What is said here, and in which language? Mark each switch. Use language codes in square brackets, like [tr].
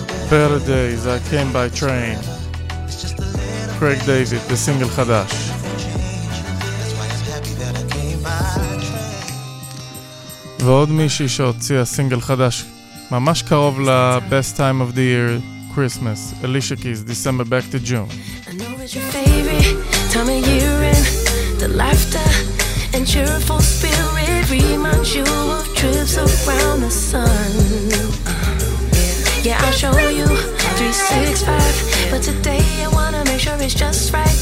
[en] Better days, I came by train. Craig David, the single [he] חדש. ועוד מישהי שהוציאה סינגל חדש ממש קרוב ל- [en] Best Time of the Year, Christmas. Alicia Keys, December Back to June. I know it's your favorite time of year in the laughter and cheerful spirit reminds you of trips around the sun. Yeah, I'll show you 365, but today I wanna make sure it's just right.